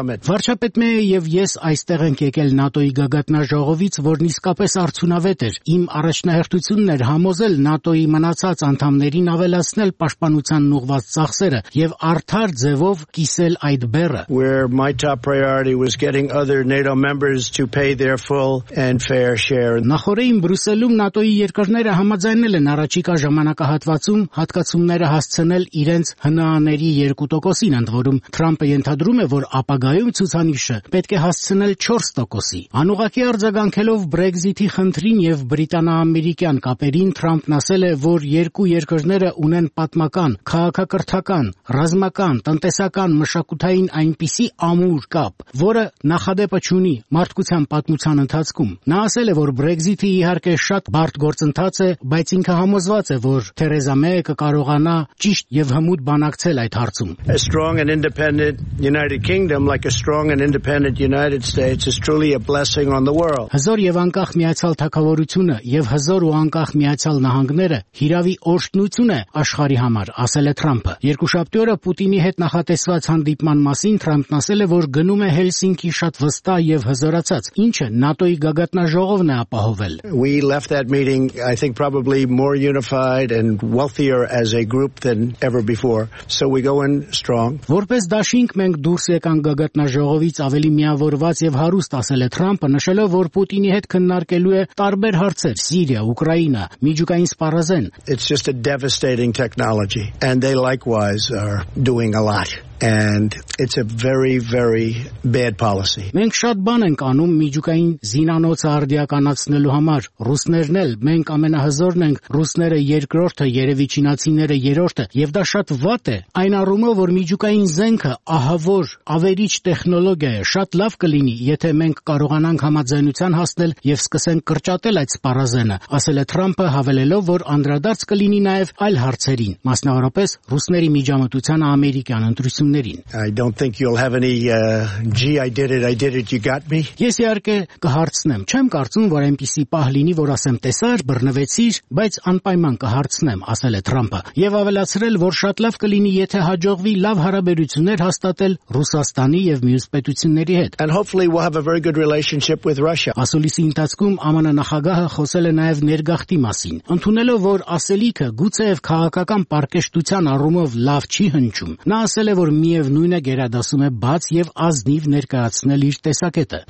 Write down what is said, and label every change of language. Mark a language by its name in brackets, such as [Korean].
[Armenian] Վարչապետ Մեյը և ես այստեղ ենք եկել ՆԱՏՕ-ի գագաթնաժողովից, որն իսկապես արդյունավետ էր։ Իմ առաջնահերթությունն էր համոզել ՆԱՏՕ-ի մնացած անդամներին ավելի լասնել պաշտպանության նուղված ծախսերը եւ արդար ձևով կիսել այդ բեռը։ [English] Where my top priority was getting other NATO members to pay their full and fair share. [Armenian] Նախորդին Բրյուսելում ՆԱՏՕ-ի երկրները համաձայնել են առաջիկա ժամանակահատվածում հատկացումները հասցնել իրենց ՀՆԱ-ների 2%-ին ընդ որում։ Թրամփը ենթադրում է, որ ապագայում ցուցանիշը պետք է հասցնել 4%-ի։ Անուղակի արձագանքելով Բրեքզիթի խնդրին եւ Բրիտանա-Ամերիկյան կապերին, Թրամփն ասել է, որ երկու երկրները ունեն պատմական, քաղաքակրթական, ռազմական, տնտեսական, մշակութային այնպիսի ամուր կապ, որը նախադեպը չունի մարդկության պատմության ընթացքում։ Նա ասել է, որ Բրեքզիթը իհարկե շատ բարդ գործընթաց է, բայց ինքը համոզված է, որ Թերեզա Մեյը կարողանա ճիշտ եւ հմուտ բանակցել այդ հարցում։ [English] A strong and independent United Kingdom like a strong and independent United States is truly a blessing on the world. [Armenian] Հզոր եւ անկախ Միացյալ Թագավորությունը եւ հզոր ու անկախ Միացյալ Նահանգները հիրավի օշտնություն ունե աշխարհի համար, ասել է Թրամփը։ Երկու շաբթի օրը Պուտինի հետ նախատեսված հանդիպման մասին Թրամփն ասել է, որ գնում է Հելսինկի շատ վստահ եւ հզորացած, ինչը ՆԱՏՕ-ի գագաթնաժողովն է ապահովել։ [English] We left that meeting I think probably more unified and wealthier as a group than ever before. So we go in strong. [Armenian] Որպես դաշինք մենք դուրս եկանք գագաթնաժողովից ավելի միավորված եւ հարուստ, ասել է Թրամփը, նշելով, որ Պուտինի հետ քննարկելու է տարբեր հարցեր՝ Սիրիա, Ուկրաինա, միջուկային սպառազեն։ [English] It's just a devastating using technology, and they likewise are doing a lot. And it's a very, very bad policy. [Armenian] Մենք շատ բան ենք անում միջուկային զինանոցը արդիականացնելու համար։ Ռուսներն էլ, մենք ամենահզորն ենք, ռուսները երկրորդը, երևի չինացիները երրորդը, եւ դա շատ վատ է։ Այն առումով, որ միջուկային զենքը ահավոր, ավերիչ տեխնոլոգիա է, շատ լավ կլինի, եթե մենք կարողանանք համաձայնության հասնել եւ սկսենք կրճատել այդ սպառազենը, ասել է Թրամփը, հավելելով, որ անդրադարձ կլինի նաեւ այլ հարցերին, մասնավորապես ռուսների միջամտության ամերիկյան ընդ [English] I don't think you'll have any I did it, you got me. [Armenian] Ես իհարկե կհարցնեմ, չեմ կարծում, որ այնպիսի պահ լինի, որ ասեմ տեսար, բռնվեցիր, բայց անպայման կհարցնեմ, ասել է Թրամփը, եւ ավելացրել, որ շատ լավ կլինի, եթե հաջողվի լավ հարաբերություններ հաստատել Ռուսաստանի եւ մյուս պետությունների հետ. [English] And hopefully we'll have a very good relationship with Russia. [Armenian] Ասուլիսի ընթացքում ԱՄՆ նախագահը խոսել է նաեւ ներգաղթի մասին, ընդունելով, որ ասելիքը գուցե եւ քաղաքական պարկեշտության առումով լավ չի հնչում։ Նա ասել որ միև նույնը գերադասում է բաց եւ ազնիվ ներկայացնել իր տեսակետը։